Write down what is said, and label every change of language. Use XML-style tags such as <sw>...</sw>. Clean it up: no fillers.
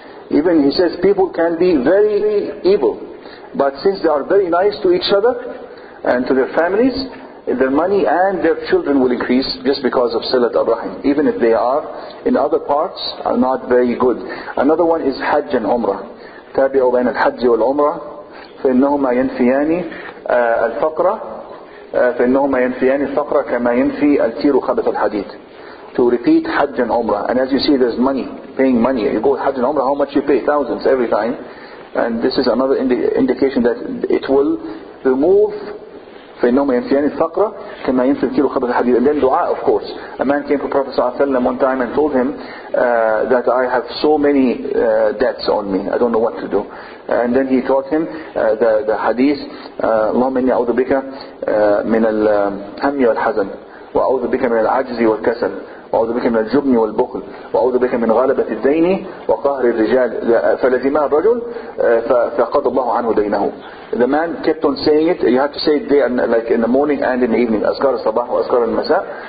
<en>Even he says people can be very evil, but since they are very nice to each other and to their families, their money and their children will increase just because of Silat Ar-Rahim, even if they are in other parts are not very good. Another one is Hajj and Umrah.</en> <ar>تابعوا بين الحج والعمرة فإنهما ينفيان الفقر فإنهما ينفيان الفقر كما ينفي التير خبث الحديد.</ar> <en>To repeat Hajj and Umrah, and as you see there's money, paying money. You go Hajj and Umrah, how much you pay? Thousands every time. And this is another indication that it will remove. And then dua, of course. A man came to Prophet ﷺ one time and told him that I have so many debts on me, I don't know what to do. And then he taught him the hadith,</en> <ar>اللهم إني أعوذ بك من الهم والحزن وأعوذ بك من العجز والكسل وأعوذ بك من الجبن والبخل وأعوذ بك من غلبة الدين وقهر الرجال فلزمها الرجل فقضى الله عنه دينه.</ar> <en>The man kept on saying it. You have to say it day and like in the morning and in the evening.</en> <ar>Azkar al-sabah wa azkar al-masa.</ar>